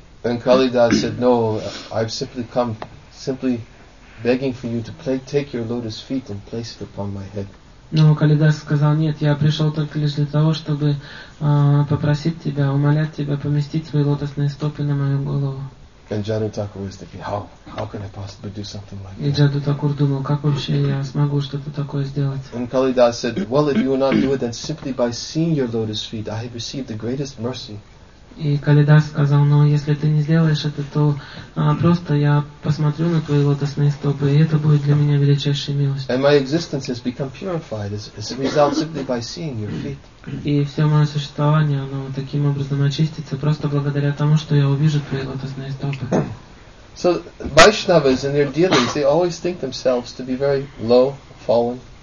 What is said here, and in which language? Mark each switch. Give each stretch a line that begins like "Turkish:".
English: And Kalidas said, no, I've simply come simply begging for you to take your lotus feet and place it upon my head.
Russian: Но Калидас сказал, нет, я пришел только лишь для того, чтобы попросить тебя, умолять тебя поместить свои лотосные стопы на мою голову.
English: And Jadu Thakur was thinking, how can I possibly do something like that?
Russian: И Джаду Такур думал, как вообще я смогу что-то такое сделать?
English: And Kalidas said, well, if you will not do it, then simply by seeing your lotus feet, I have received the greatest mercy.
Russian: И Калидас сказал, но если ты не сделаешь это, то просто я посмотрю на твои лотосные стопы, и это будет для меня величайшей милостью.
English: And my existence has become purified as a result simply by seeing your feet.
Russian: И все мое существование, оно таким образом очистится, просто благодаря тому, что я увижу твои лотосные стопы.
English: So, Vaishnavas in their dealings, they always think themselves to be very low, fallen.